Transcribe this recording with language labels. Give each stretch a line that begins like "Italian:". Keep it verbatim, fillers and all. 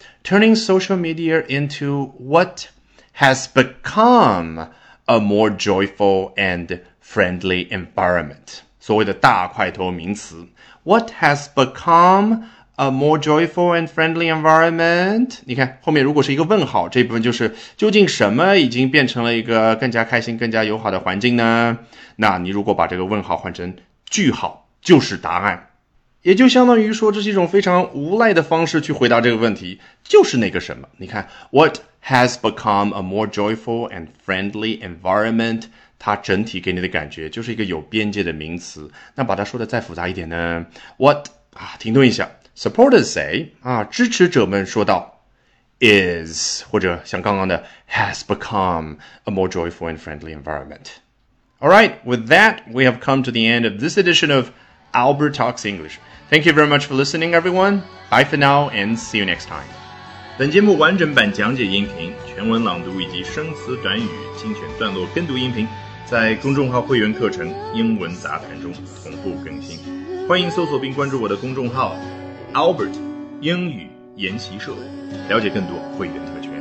English: turning social media into what has become a more joyful and friendly environment，
Chinese: 所谓的大块头名词
English: What has become a more joyful and friendly environment？
Chinese: 你看后面如果是一个问号，这部分就是究竟什么已经变成了一个更加开心、更加友好的环境呢？那你如果把这个问号换成句号，就是答案。也就相当于说，这是一种非常无赖的方式去回答这个问题，就是那个什么。你看
English: What has become a more joyful and friendly environment？
Chinese: 它整体给你的感觉就是一个有边界的名词。那把它说的再复杂一点呢 ？What 啊，停顿一下。
English: Supporters say
Chinese: 啊，支持者们说道 ，is 或者像刚刚的
English: has become a more joyful and friendly environment。 All right, with that, we have come to the end of this edition of Albert Talks English. Thank you very much for listening, everyone. Bye for now, and see you next time.
Chinese: 本节目完整版讲解音频、全文朗读以及生词短语精选段落跟读音频，在公众号会员课程英文杂谈中同步更新，欢迎搜索并关注我的公众号 Albert 英语研习社，了解更多会员